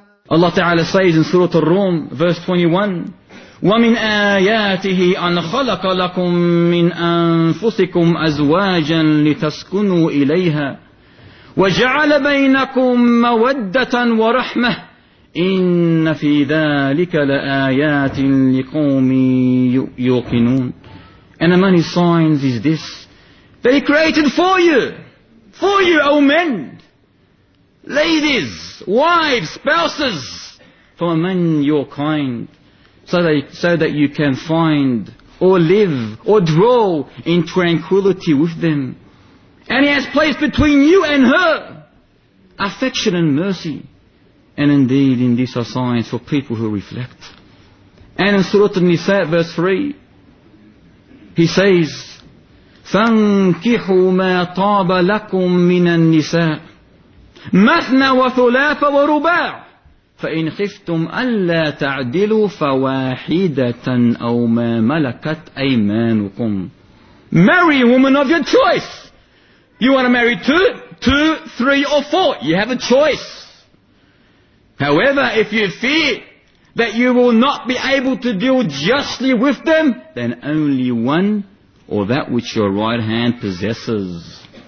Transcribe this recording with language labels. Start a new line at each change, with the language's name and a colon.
English: Allah Ta'ala says in Surah Al-Rum, verse 21,
Arabic: وَمِنْ آيَاتِهِ أَنْ خَلَقَ لَكُمْ مِنْ أَنفُسِكُمْ أَزْوَاجًا لِتَسْكُنُوا إِلَيْهَا وَجَعَلَ بَيْنَكُمْ مَوَدَّةً وَرَحْمَةً إِنَّ فِي ذَلِكَ لَآيَاتٍ لِقَوْمٍ يُوقِنُونَ.
English: And among his signs is this, that he created for you, O men, ladies, wives, spouses, from among your kind, so that you can find or live or dwell in tranquility with them. And he has placed between you and her affection and mercy. And indeed, in these are signs for people who reflect. And in Surah An-Nisa, verse 3, he says,
Arabic: فَانْكِحُوا مَا طَابَ لَكُم مِّنَ النِّسَاءِ مثنى وثلاث ورباع فإن خفتم ألا تعدلوا فواحدة أو ما ملكت أيمانكم.
English: Marry a woman of your choice. You want to marry two, three or four. You have a choice. However, if you fear that you will not be able to deal justly with them, then only one or that which your right hand possesses.